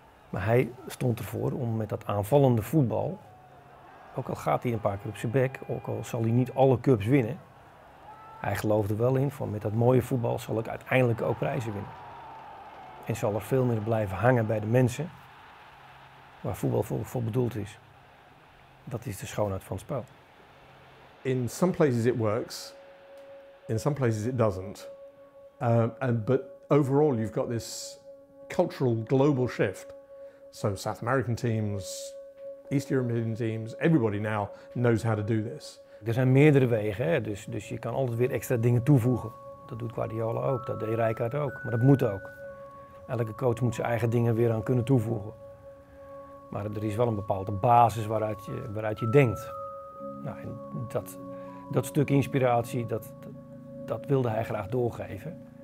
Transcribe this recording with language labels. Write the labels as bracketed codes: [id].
[nl] Maar hij stond ervoor om met dat aanvallende voetbal, ook al gaat hij een paar keer op zijn bek, ook al zal hij niet alle cups winnen, hij geloofde wel in van met dat mooie voetbal zal ik uiteindelijk ook prijzen winnen. En zal er veel meer blijven hangen bij de mensen waar voetbal voor bedoeld is. Dat is de schoonheid van het spel. [en] In some places it works, in some places it doesn't. But overall you've got this cultural global shift. So South American teams, East European teams, everybody now knows how to do this. [nl] Er zijn meerdere wegen, hè? Dus je kan altijd weer extra dingen toevoegen. Dat doet Guardiola ook, dat deed Rijkaard ook, maar dat moet ook. Elke coach moet zijn eigen dingen weer aan kunnen toevoegen. Maar er is wel een bepaalde basis waaruit je denkt. Nou, en dat stuk inspiratie, dat wilde hij graag doorgeven.